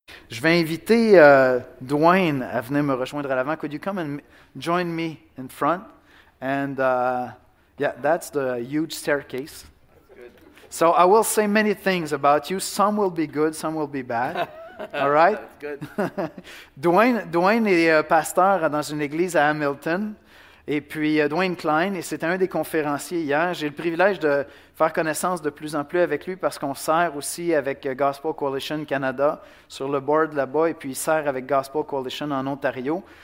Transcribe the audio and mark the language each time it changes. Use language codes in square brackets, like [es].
[fr] Je vais inviter Dwayne à venir me rejoindre à l'avant. [en] Could you come and join me in front? And yeah, that's the huge staircase. So I will say many things about you. Some will be good, some will be bad. All right? That's good. [fr] Dwayne est pasteur dans une église à Hamilton. Et puis Dwayne Klein, et c'était un des conférenciers hier. J'ai le privilège de faire connaissance de plus en plus avec lui parce qu'on sert aussi avec Gospel Coalition Canada sur le board là-bas, et puis il sert avec Gospel Coalition en Ontario.